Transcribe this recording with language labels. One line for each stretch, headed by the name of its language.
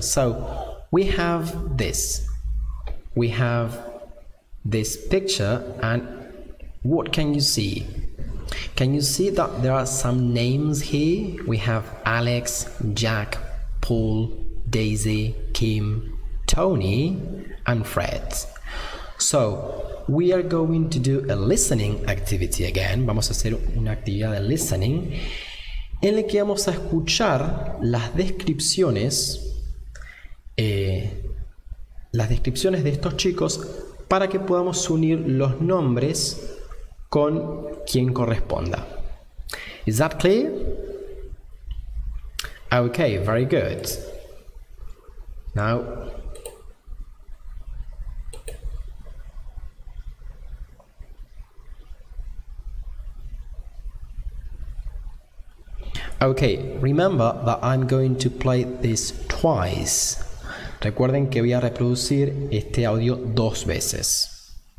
English: So, we have this. We have this picture, and what can you see? Can you see that there are some names here? We have Alex, Jack, Paul, Daisy, Kim, Tony, and Fred. So, we are going to do a listening activity again.
Spanish: Vamos a hacer una actividad de listening en la que vamos a escuchar las descripciones de estos chicos para que podamos unir los nombres con quien corresponda.
English: Is that clear? Okay, very good. Now, okay, remember that I'm going to play this twice.
Spanish: Recuerden que voy a reproducir este audio dos veces.